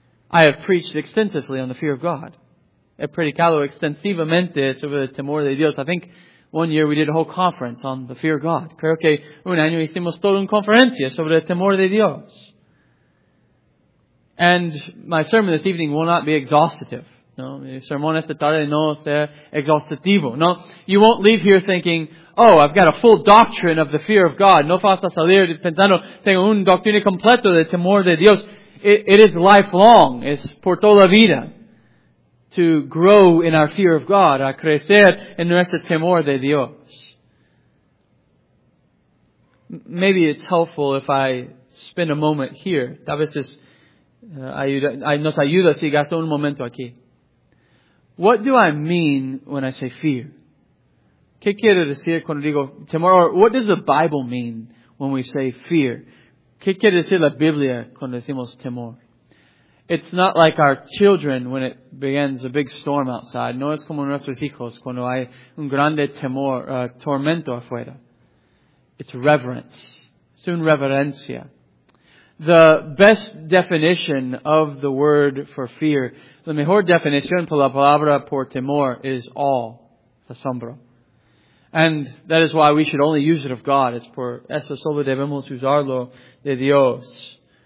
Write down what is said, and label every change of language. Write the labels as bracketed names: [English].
[English] I have preached extensively on the fear of God. [Spanish] He predicado extensivamente sobre el temor de Dios. [English] I think one year we did a whole conference on the fear of God. [Spanish] Creo que un año hicimos toda una conferencia sobre el temor de Dios. [English] And my sermon this evening will not be exhaustive. [Spanish] No, el sermón esta tarde no será exhaustivo. [English] No, you won't leave here thinking, oh, I've got a full doctrine of the fear of God. [Spanish] No vas a salir pensando, tengo un doctrine completo del temor de Dios. [English] It is lifelong. [Spanish] Es por toda la vida. [English] To grow in our fear of God. [Spanish] A crecer en nuestro temor de Dios. [English] Maybe it's helpful if I spend a moment here. [Spanish] Tal vez es nos ayuda si gasto un momento aquí. [English] What do I mean when I say fear? [Spanish] ¿Qué quiero decir cuando digo temor? [English] Or what does the Bible mean when we say fear? [Spanish] ¿Qué quiere decir la Biblia cuando decimos temor? [English] It's not like our children when it begins a big storm outside. [Spanish] No es como nuestros hijos cuando hay un grande temor, tormento afuera. [English] It's reverence. [Spanish] Es un reverencia. [English] The best definition of the word for fear, [Spanish] la mejor definición por la palabra por temor [English] is awe, [Spanish] es asombro. [English] And that is why we should only use it of God. [Spanish] It's por eso solo debemos usarlo de Dios.